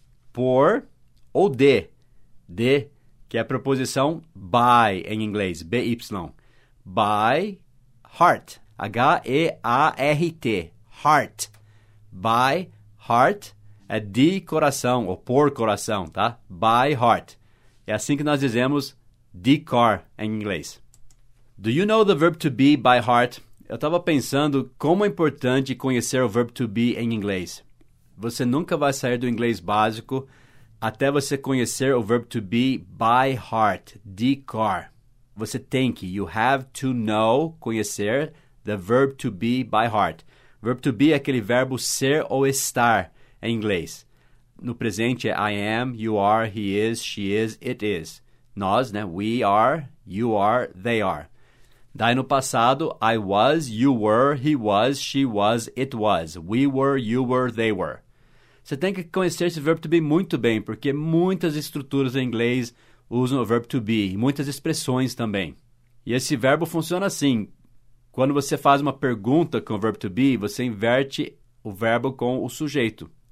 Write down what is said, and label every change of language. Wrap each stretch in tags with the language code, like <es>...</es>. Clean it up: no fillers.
<pt>Por ou de. De, que é a preposição by em inglês, B-Y.</pt> <en>By heart. H-E-A-R-T, heart.</en> <pt>By heart é de coração ou por coração, tá? By heart. É assim que nós dizemos de car em inglês.</pt> <en>Do you know the verb to be by heart?</en> <pt>Eu estava pensando como é importante conhecer o verb to be em inglês. Você nunca vai sair do inglês básico até você conhecer o verb to be by heart, de car. Você tem que,</pt> <en>you have to know,</en> <pt>conhecer,</pt> <en>the verb to be by heart.</en> <pt>Verb to be é aquele verbo ser ou estar em inglês. No presente é</pt> <en>I am, you are, he is, she is, it is.</en> <pt>Nós, né?</pt> <en>We are, you are, they are.</en> <pt>Daí no passado,</pt> <en>I was, you were, he was, she was, it was. We were, you were, they were.</en> <pt>Você tem que conhecer esse verbo to be muito bem, porque muitas estruturas em inglês usam o verbo to be, muitas expressões também. E esse verbo funciona assim. Quando você faz uma pergunta com o verbo to be, você inverte o verbo com o sujeito.</pt>